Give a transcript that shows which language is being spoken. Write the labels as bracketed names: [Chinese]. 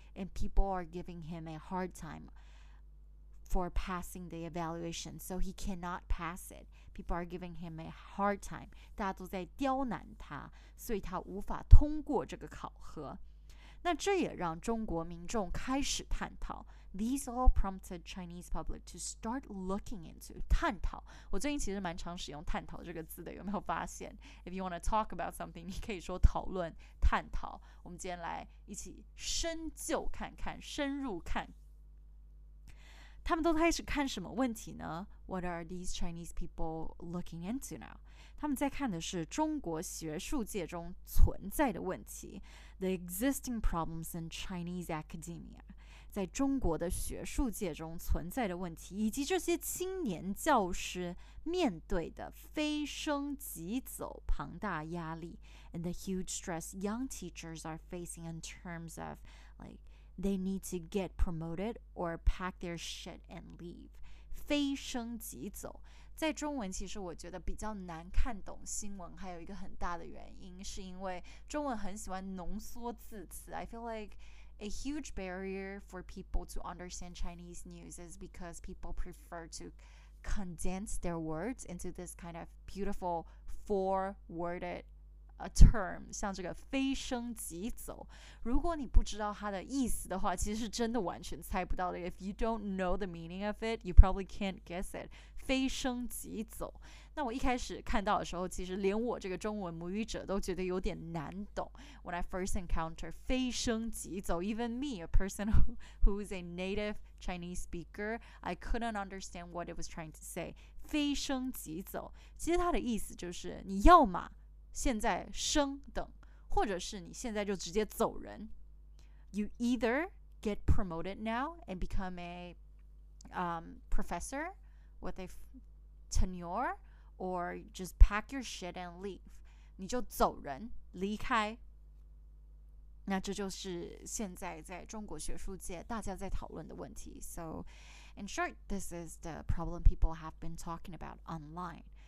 [English] And people are giving him a hard time for passing the evaluation, so he cannot pass it. People are giving him a hard time. [Chinese] 大家都在刁难他，所以他无法通过这个考核。那这也让中国民众开始探讨。 [English] These all prompted Chinese public to start looking into 探讨。 [Chinese] 我最近其实蛮常使用探讨这个字的，有没有发现？ [English] If you want to talk about something， [Chinese] 你可以说讨论、探讨。我们今天来一起深究看看，深入看。他们都开始看什么问题呢？ [English] What are these Chinese people looking into now？ [Chinese] 他们在看的是中国学术界中存在的问题， [English] The existing problems in Chinese academia， [Chinese] 在中国的学术界中存在的问题，以及这些青年教师面对的飞升即走庞大压力， [English] And the huge stress young teachers are facing in terms of like they need to get promoted or pack their shit and leave。 [Chinese] 飞升即走，在中文其实我觉得比较难看懂新闻，还有一个很大的原因是因为中文很喜欢浓缩字词。 [English] I feel like a huge barrier for people to understand Chinese news is because people prefer to condense their words into this kind of beautiful four-worded term， [Chinese] 像这个飞升即走，如果你不知道它的意思的话，其实是真的完全猜不到的。 [English] If you don't know the meaning of it, you probably can't guess it。 [Chinese] 飞升即走，那我一开始看到的时候，其实连我这个中文母语者都觉得有点难懂。 [English] When I first encounter 飞升即走， even me, a person who is a native Chinese speaker, I couldn't understand what it was trying to say。 [Chinese] 飞升即走，其实它的意思就是你要嘛现在升等，或者是你现在就直接走人。 [English] You either get promoted now and become a professor with a tenure, or just pack your shit and leave. [Chinese] 你就走人，离开。那这就是现在在中国学术界大家在讨论的问题。 [English] So in short, this is the problem people have been talking about online.